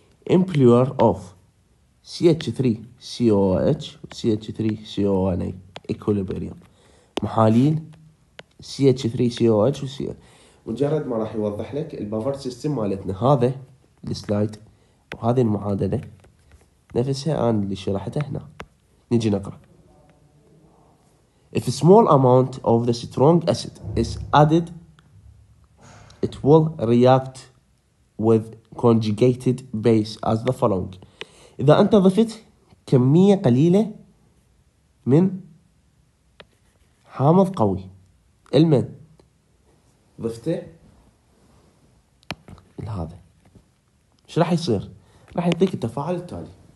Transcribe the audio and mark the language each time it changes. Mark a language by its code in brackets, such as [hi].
[ar] امبلور اوف CH3COOH CH3COONA equilibrium، محاليل CH3COOH مجرد ما راح يوضح لك البافر سيستم مالتنا. هذا السلايد وهذه المعادلة نفسها أنا اللي شرحتها هنا. نجي نقرأ. [en] If a small amount of the strong acid is added it will react with conjugated base as the following. [ar] إذا أنت ضفت كمية قليلة من حامض قوي، المن ضفته لهذا، إيش راح يصير؟ راح يعطيك التفاعل التالي.